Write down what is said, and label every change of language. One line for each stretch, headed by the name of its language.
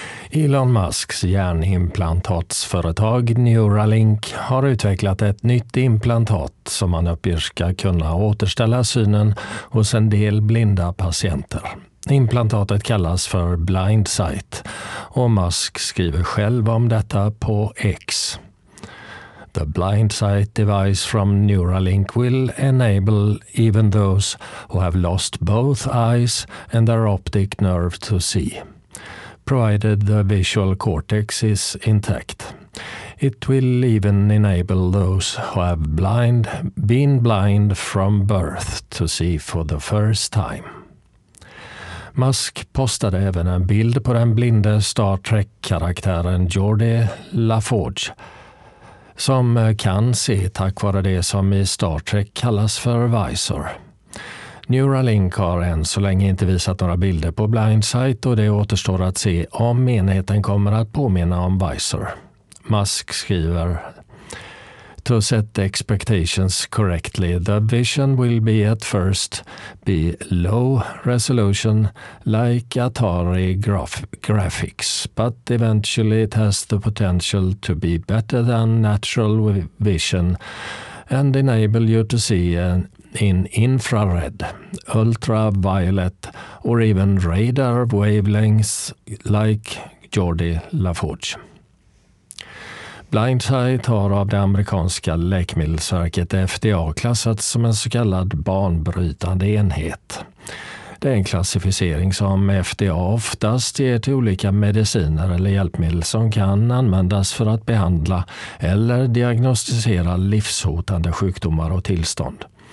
Swedish: Elon Musks hjärnimplantatsföretag Neuralink har utvecklat ett nytt implantat som man uppger ska kunna återställa synen hos en del blinda patienter. Implantatet kallas för Blindsight och Musk skriver själv om detta på X.
English: The Blindsight device from Neuralink will enable even those who have lost both eyes and their optic nerve to see, provided the visual cortex is intact. It will even enable those who have been blind from birth to see for the first time.
Swedish: Musk postade även en bild på den blinde Star Trek-karaktären Geordi LaForge, som kan se tack vare det som i Star Trek kallas för visor. Neuralink har än så länge inte visat några bilder på Blindsight och det återstår att se om enheten kommer att påminna om visor. Musk skriver:
English: "To set expectations correctly, the vision will be at first be low resolution like Atari graphics, but eventually it has the potential to be better than natural vision and enable you to see in infrared, ultraviolet or even radar wavelengths like Geordi LaForge."
Swedish: Blindsight har av det amerikanska läkemedelsverket FDA klassats som en så kallad banbrytande enhet. Det är en klassificering som FDA oftast ger till olika mediciner eller hjälpmedel som kan användas för att behandla eller diagnostisera livshotande sjukdomar och tillstånd.